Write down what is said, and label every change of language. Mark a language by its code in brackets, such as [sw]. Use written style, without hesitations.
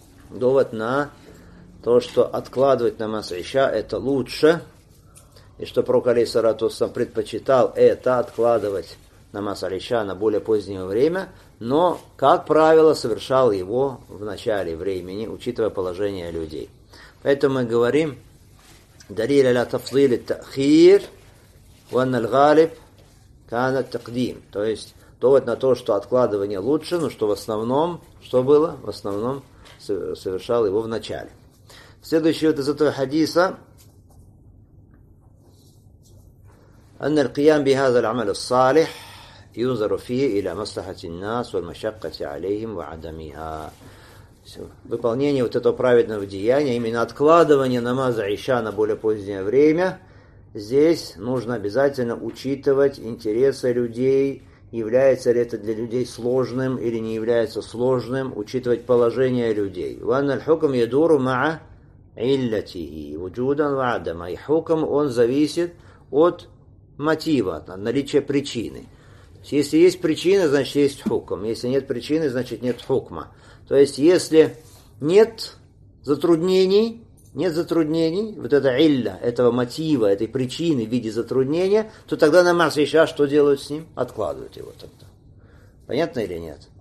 [ru] Довод на то, что откладывать намаз иша это лучше, и что пророк алейхиссалату вассалям предпочитал это, откладывать намаз аль-Иша на более позднее время, но, как правило, совершал его в начале времени, учитывая положение людей. Поэтому мы говорим «Далиль аля тафзили тахир, ван аль-галиб, кана тахдим». То есть, довод на то, что откладывание лучше, но что в основном, что было? В основном совершал его в начале. Следующий вот из этого хадиса [ar] أن القيام بهذا العمل الصالح ينظر فيه إلى مصلحة الناس والمشقة عليهم وعدمها. [ru] Выполнение вот этого праведного деяния, именно откладывание намаза Иша на более позднее время, здесь нужно обязательно учитывать интересы людей, является ли это для людей сложным или не является сложным, учитывать положение людей. [ar] وأن الحكم يدور مع علته وجودا وعدما. [ru] И хукм, он зависит от мотива, наличие причины. То есть, если есть причина, значит есть хукм. Если нет причины, значит нет хукма. То есть, если нет затруднений, вот это илля, этого мотива, этой причины в виде затруднения, то тогда намаз иша, что делают с ним? Откладывают его тогда. Понятно или нет?